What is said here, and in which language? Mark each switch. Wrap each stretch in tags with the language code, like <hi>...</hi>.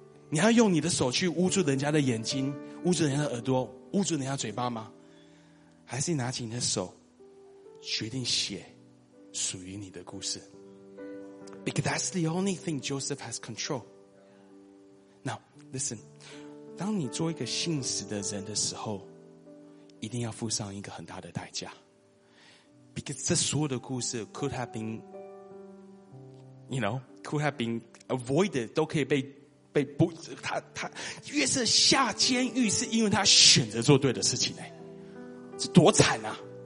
<zh>你要用你的手去捂住人家的眼睛，捂住人家的耳朵，捂住人家嘴巴吗？还是你拿起你的手决定写属于你的故事？</zh> <en>Because that's the only thing Joseph has control. Now, listen.</en> <zh>当你做一个信实的人的时候，一定要付上一个很大的代价。</zh> <en>Because</en> <zh>这所有的故事</zh> <en>could have been, you know, could have been avoided,</en> <zh>都可以被不，他约瑟下监狱是因为他选择做对的事情，这多惨啊。</zh>